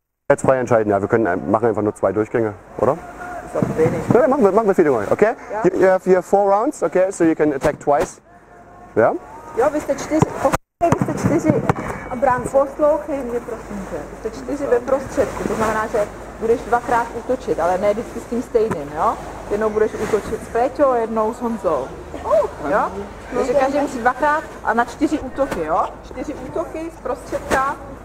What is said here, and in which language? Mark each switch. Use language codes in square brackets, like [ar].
[de] Jetzt frei entscheiden, ja, wir können machen einfach nur 2 Durchgänge, oder? Ist doch wenig. Ja, machen wir viele neu, okay? Ja. [en] You have here 4 rounds, okay, so you can attack twice. [de] Ja? [cs] Ja, vy jste čtyři a bránce. Poslouchej mě, prosím tě. Vy jste čtyři ve prostředku, to znamená, že budeš dvakrát útočit, ale ne vždycky s tím stejným, jo? Jednou budeš útočit s Péťou, jednou s Honzou. Jo? Takže každý musí dvakrát a na 4 útoky, jo? 4 útoky z prostředka.